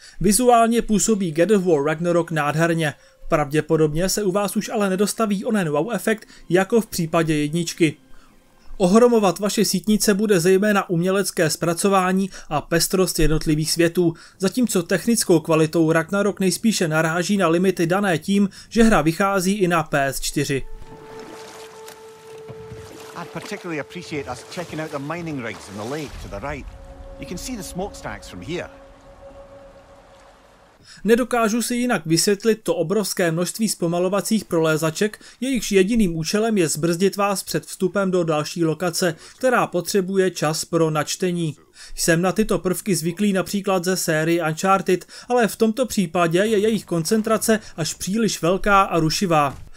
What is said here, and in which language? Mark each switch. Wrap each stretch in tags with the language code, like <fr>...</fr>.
<cs>Vizuálně působí God of War Ragnarok nádherně. Pravděpodobně se u vás už ale nedostaví onen wow efekt jako v případě jedničky. Ohromovat vaše sítnice bude zejména umělecké zpracování a pestrost jednotlivých světů, zatímco technickou kvalitou Ragnarok nejspíše naráží na limity dané tím, že hra vychází i na PS4.</cs> <en>I'd particularly appreciate us checking out the mining rigs in the lake to the right. You can see the smokestacks from here.</en> <cs>Nedokážu si jinak vysvětlit to obrovské množství zpomalovacích prolézaček, jejichž jediným účelem je zbrzdit vás před vstupem do další lokace, která potřebuje čas pro načtení. Jsem na tyto prvky zvyklý například ze série Uncharted, ale v tomto případě je jejich koncentrace až příliš velká a rušivá.</cs>